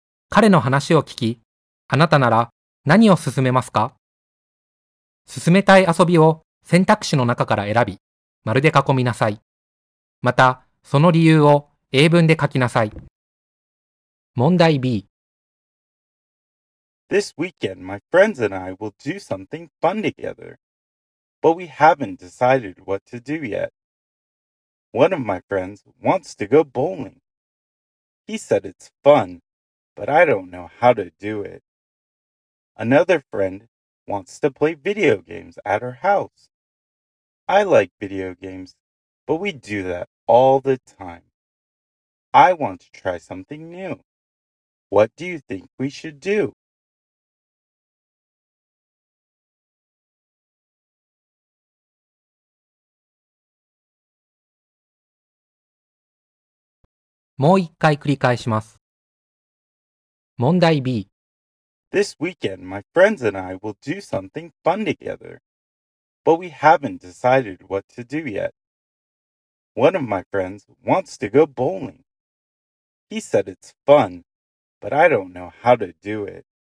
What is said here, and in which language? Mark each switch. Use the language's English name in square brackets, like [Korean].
[Japanese] 彼の話を聞き、あなたなら何を進めますか？進めたい遊びを選択肢の中から選び、丸で囲みなさい。また、その理由を英文で書きなさい。問題 B。 [English] This weekend, my friends and I will do something fun together. But we haven't decided what to do yet. One of my friends wants to go bowling. He said it's fun, but I don't know how to do it. Another friend wants to play video games at her house. I like video games, but we do that all the time. I want to try something new. What do you think we should do? [Japanese] もう一回繰り返します。問題 B。 [English] This weekend, my friends and I will do something fun together. But we haven't decided what to do yet. One of my friends wants to go bowling. He said it's fun, but I don't know how to do it.